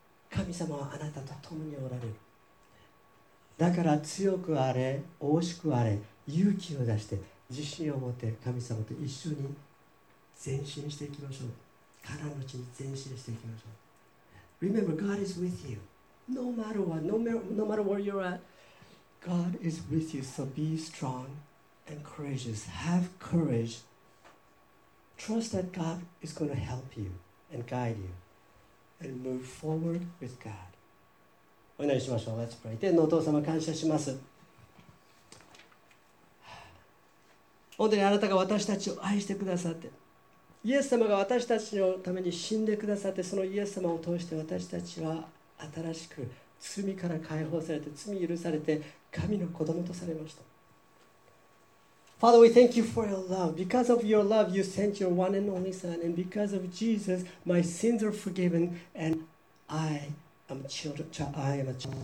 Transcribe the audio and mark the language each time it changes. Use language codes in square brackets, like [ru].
[ja] 神様はあなたと共におられる。だから強くあれ、大きくあれ、勇気を出して、自信を持って神様と一緒に前進していきましょう。カナンの地に前進していきましょう。 [en] Remember, God is with you. No matter what, no matter where you're at,God is with you, so be strong and courageous. Have courage. Trust that God is going to help you and guide you and move forward with God. [ja] お祈りしましょう。 [en] Let's pray. [ja] 天のお父様、感謝します。本当にあなたが私たちを愛してくださって、イエス様が私たちのために死んでくださって、そのイエス様を通して私たちは新しく罪から解放されて、罪許されて、神の子供とされました。 [en] Father, we thank you for your love. Because of your love, you sent your one and only Son. And because of Jesus, my sins are forgiven. And I am a child of God now.